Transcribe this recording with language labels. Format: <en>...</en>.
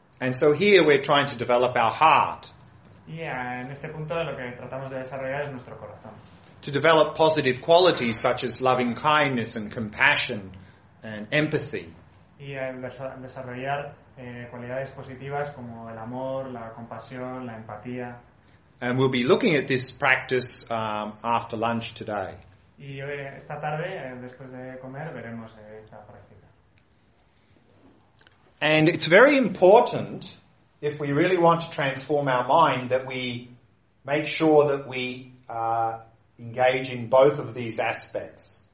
<en>And so here we're trying to develop our heart.</en> <es>Y en este punto lo que tratamos de desarrollar es nuestro corazón.</es> <en>To develop positive qualities such as loving kindness and compassion and empathy.</en> <es>Y desarrollar cualidades positivas como el amor, la compasión, la empatía.</es> <en>And we'll be looking at this practice after lunch today.</en> <es>Y esta tarde, después de comer, veremos esta práctica.</es> <en>And it's very important, if we really want to transform our mind, that we make sure that we engage in both of these aspects.</en>